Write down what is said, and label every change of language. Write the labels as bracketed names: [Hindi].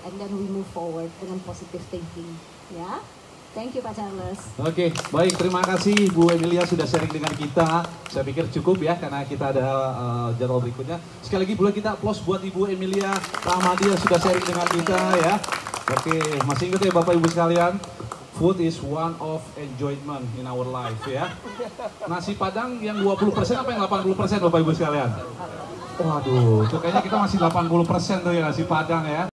[English] And then we move forward dengan positive thinking. Ya? Thank you, Pak Charles. [Indonesian] Oke, baik. Terima kasih, Bu Emilia, sudah sharing dengan kita. Saya pikir cukup ya, karena kita ada jadwal berikutnya. Sekali lagi, boleh kita aplaus buat Ibu Emilia Rahmadi yang sudah sharing dengan kita ya. Oke, masih ingat ya Bapak Ibu sekalian? [English] Food is one of enjoyment in our life, ya. [Indonesian] Nasi Padang yang 20% apa yang 80% Bapak Ibu sekalian? Waduh, itu kayaknya kita masih 80% tuh ya nasi Padang ya.